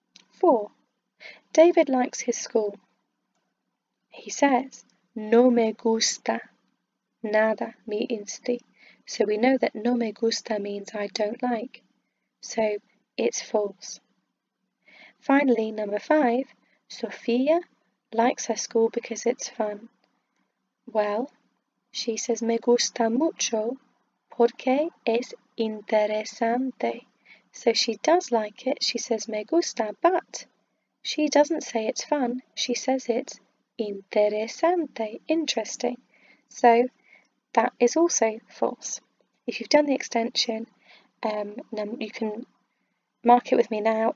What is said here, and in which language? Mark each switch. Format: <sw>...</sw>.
<en>Four, David likes his school. He says,</en> <es>no me gusta nada mi insti.</es> <en>So we know that</en> <es>no me gusta</es> <en>means I don't like. So it's false. Finally, number five, Sofia likes her school because it's fun. Well, she says,</en> <es>me gusta mucho porque es interesante.</es> <en>So she does like it, she says</en> <es>me gusta,</es> <en>but she doesn't say it's fun, she says it's interesante, interesting. So that is also false. If you've done the extension, you can mark it with me now.</en>